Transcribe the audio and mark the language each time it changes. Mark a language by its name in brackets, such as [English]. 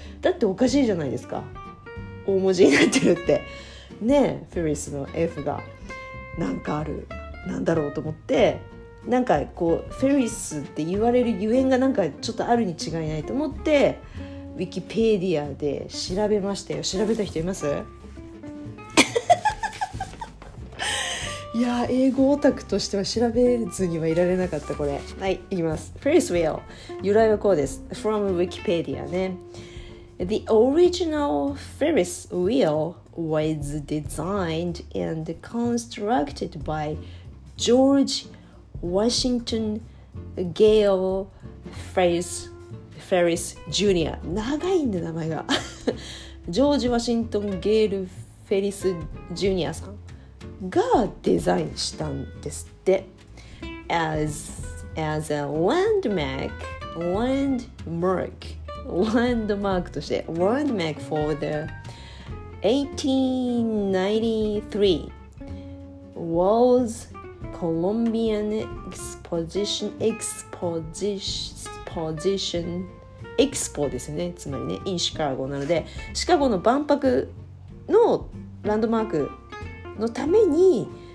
[Japanese] だっておかしいじゃないですか、大文字になってるってね、フェリスの F がなんかあるなんだろうと思って、なんかこうフェリスって言われるゆえんがなんかちょっとあるに違いないと思って、ウィキペディアで調べましたよ。調べた人いますいや英語オタクとしては調べずにはいられなかった、これ。はい、いきます。Ferris wheel 由来はこうです。 [English] From Wikipedia [Japanese] ね。 [English] The original Ferris wheel was designed and constructed by George Washington Gale Ferris Jr. [Japanese] 長いんで名前がジョージ・ワシントン・ゲール・フェリス・ジュニアさんがデザインしたんですって。 [English] as a landmark [Japanese] として [English] landmark for the 1893 World Columbian Exposition Expo [Japanese] ですね、つまりね [English] in Chicago [Japanese] なので、シカゴの万博のランドマークのために